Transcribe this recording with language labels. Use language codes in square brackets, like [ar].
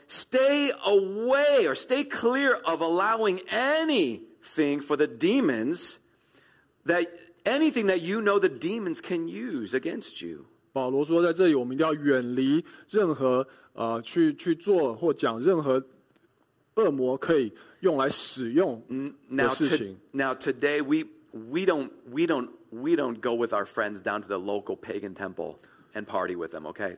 [en] stay away or stay clear of allowing anything for the demons, that anything that you know the demons can use against you. [zh] 保罗说在这里我们一定要远离任何去做或讲任何 [en] Now today we don't go with our friends down to the local pagan temple and party with them, okay?